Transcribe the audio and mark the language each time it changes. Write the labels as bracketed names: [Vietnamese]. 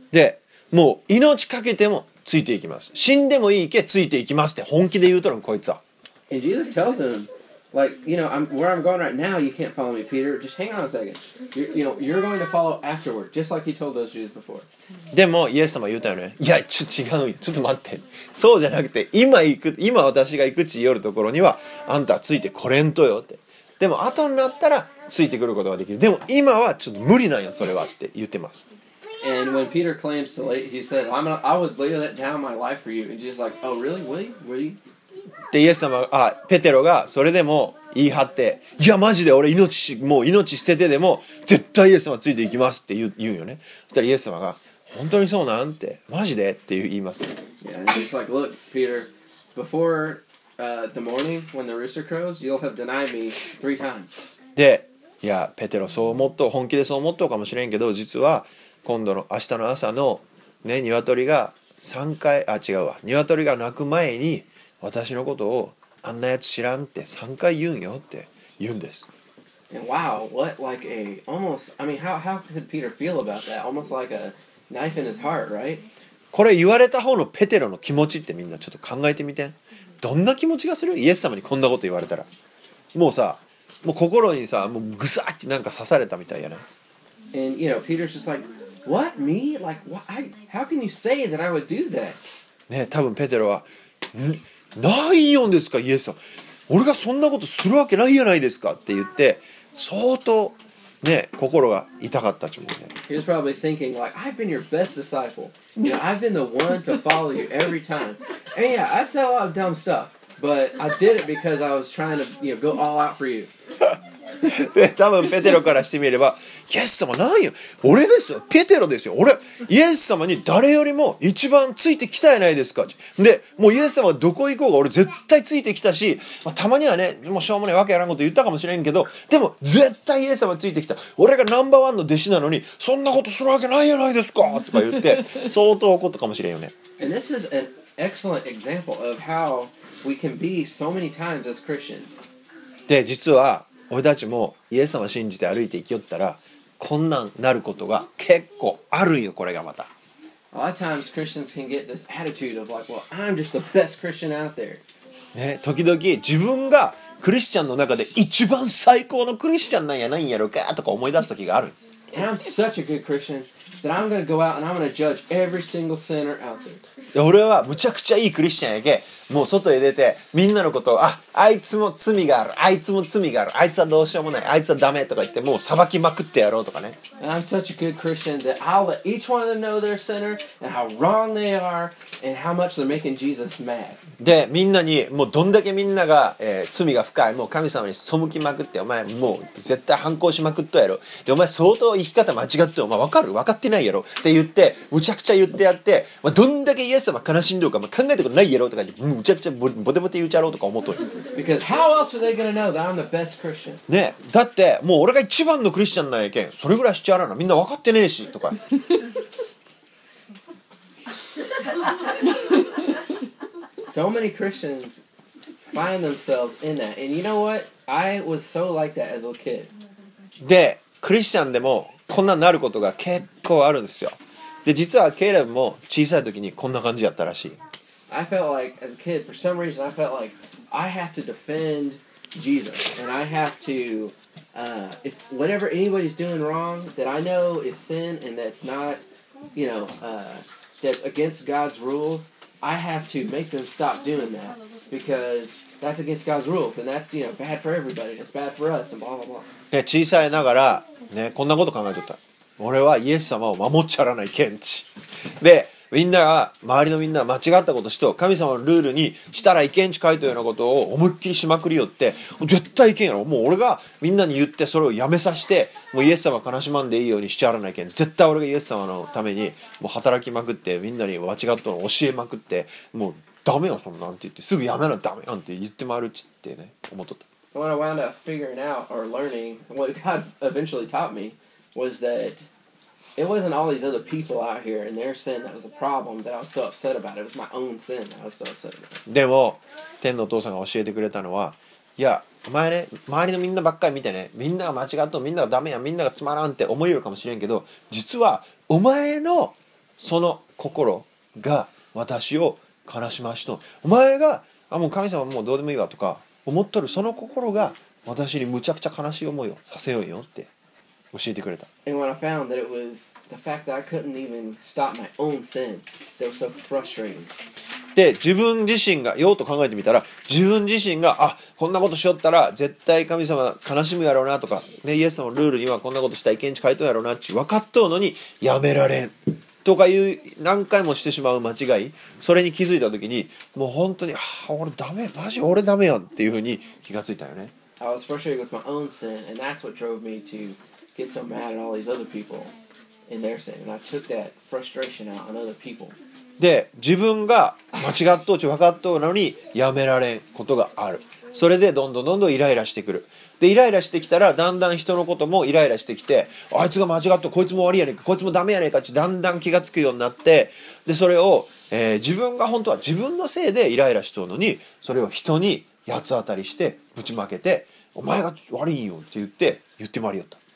[Japanese] でもう命かけてもついていきます、死んでもいいけついていきますって本気で言うとるんこいつは。 [English] And Jesus tells him, like, you know, where I'm going right now, you can't follow me, Peter. Just hang on a second. You're going to follow afterward, just like he told those Jews before. [Japanese] でもイエス様言ったよね。いや、ちょっと違うのよ。ちょっと待って。そうじゃなくて、今私が行くち寄るところには、あんたついてこれんとよって。でも後になったらついてくることができる。でも今はちょっと無理なんよ、それはって言ってます。 [English] And when Peter claims to lay, he said, I would lay that down my life for you. And Jesus is like, oh, really? Will you? [Japanese] でイエス様、あ、ペテロがそれでも言い張って、いやマジで俺命もう命捨ててでも絶対イエス様ついていきますって言うよね。そしたらイエス様が本当にそうなんてマジでって言います。 [English] Yeah, it's like, look, Peter, before the morning when the rooster crows, you'll have denied me three times. [Japanese] で、いやペテロそう思っと本気でそう思っとうかもしれんけど、実は今度の明日の朝のね鶏が三回、あ違うわ、鶏が鳴く前に私のことをあんなやつ知らんって3回言うんよって言うんです。 [English] And wow, what like a almost, I mean, how could Peter feel about that? Almost like a knife in his heart, right? [Japanese] これ言われた方のペテロの気持ちってみんなちょっと考えてみて。どんな気持ちがする？イエス様にこんなこと言われたら。もうさ、もう心にさ、もうぐさってなんか刺されたみたいやな。 [English] And you know, Peter's just like, what? Me? Like, what? How can you say that I would do that? [Japanese] ね、多分ペテロは、ないよんですかイエス様、俺がそんなことするわけないじゃないですかって言って相当、ね、心が痛かったちもんね。 [English] He was probably thinking like, I've been your best disciple. You know, I've been the one to follow you every time. And yeah, I've said a lot of dumb stuff, but I did it because I was trying to, you know, go all out for you. [Japanese] で多分ペテロからしてみればイエス様何よ、俺ですよペテロですよ、俺イエス様に誰よりも一番ついてきたやないですか、でもうイエス様どこ行こうが俺絶対ついてきたし、まあ、たまにはねもうしょうもないわけやらんこと言ったかもしれんけど、でも絶対イエス様ついてきた、俺がナンバーワンの弟子なのにそんなことするわけないやないですかとか言って相当怒ったかもしれんよね。 [English] And this is an excellent example of how we can be so many times as Christians. [Japanese] で実は俺たちもイエス様を信じて歩いて行きよったらこんなんなることが結構あるよ。これがまた [English] A lot of times Christians can get this attitude of like, well, I'm just the best Christian out there. [Japanese] ね、時々自分がクリスチャンの中で一番最高のクリスチャンなんやないんやろかとか思い出す時がある。 [English] And I'm such a good Christian that I'm gonna go out and I'm gonna judge every single sinner out there. [Japanese] で俺はむちゃくちゃいいクリスチャンやけ、もう外へ出てみんなのことを、あいつも罪がある、あいつも罪がある、あいつはどうしようもない、あいつはダメとか言ってもう裁きまくってやろうとかね。 [English] And I'm such a good Christian that I'll let each one of them know they're a sinner and how wrong they are and how much they're making Jesus mad. [Japanese] でみんなにもうどんだけみんなが、罪が深い、もう神様に背きまくって、お前もう絶対反抗しまくっとやろ、でお前相当生き方間違ってお前分かる分かってないやろって言ってむちゃくちゃ言ってやって、まあ、どんだけイエス様悲しんどうか、まあ、考えたことないやろとか言って、むちゃくちゃボテボテ言うちゃろうとか思っとる。 [English] Because how else are they gonna know that I'm the best Christian? [Japanese] ね、だってもう俺が一番のクリスチャンなんやけん、それぐらいしちゃらな、みんな分かってねえしとか。 [English] So many Christians find themselves in that. And you know what? I was so like that as a kid. [Japanese] で、クリスチャンでもこんなになることが結構あるんですよ。で、実はケイレブも小さい時にこんな感じやったらしい。 [English] I felt like, as a kid, for some reason, I felt like I have to defend Jesus. And I have to, if whatever anybody's doing wrong that I know is sin and that's not, you know, that's against God's rules, I have to make them stop doing that. Because that's against God's rules. And that's, you know, bad for everybody. It's bad for us. And blah, blah, blah. [Japanese] 小さいながら、ね、こんなこと考えとった。俺はイエス様を守っちゃらないケンチ。で、みんなが周りのみんな間違ったことしと神様のルールにしたらいけんち書いたようなことを思いっきりしまくりよって絶対いけんやろ、もう俺がみんなに言ってそれをやめさせてもうイエス様悲しまんでいいようにしちゃわないけん、絶対俺がイエス様のためにもう働きまくってみんなに間違ったのを教えまくってもうダメよそんなんて言ってすぐやめなダメよって言って回るっちってね思っとった。 [English] What I wound up figuring out or learning, what God eventually taught me was thatIt wasn't all these other people out here and their sin that was a problem that I was so upset about. It was my own sin that I was so upset about. [Japanese] でも、天のお父さんが教えてくれたのは、いや、お前ね、周りのみんなばっかり見てね、みんなが間違っとみんながダメや、みんながつまらんって思えるかもしれんけど、実はお前のその心が私を悲しましと。お前が、あ、もう神様もうどうでもいいわとか思っとるその心が私にむちゃくちゃ悲しい思いをさせようよって。教えてくれた。 [English] And when I found that it was the fact that I couldn't even stop my own sin that was so frustrating. [Japanese] で、自分自身が、よーと考えてみたら、自分自身が、あ、こんなことしよったら、絶対神様悲しむやろうなとか、ね、イエス様のルールにはこんなことしたらいけんち書いとんやろうなって分かっとうのに、やめられん。とかいう、何回もしてしまう間違い、それに気づいたときに、もう本当に、あ、俺ダメ、マジ俺ダメやんっていうふうに気がついたよね。 [English] I was frustrated with my own sin, and that's what drove me to. Get so mad at all these other people in their sin, and I took that frustration out on other people. [Japanese] で、自分が間違っとうち分かっとうのにやめられんことがある。それでどんどんどんどんイライラしてくる。で、イライラしてきたらだんだん人のこともイライラしてきて、あいつが間違っとう、こいつも悪いやねんか、こいつもダメやねんかってだんだん気がつくようになって、で、それを、自分が本当は自分のせいでイライラしとうのに、それを人に八つ当たりしてぶちまけて、お前が悪いんよって言って言ってまりよった。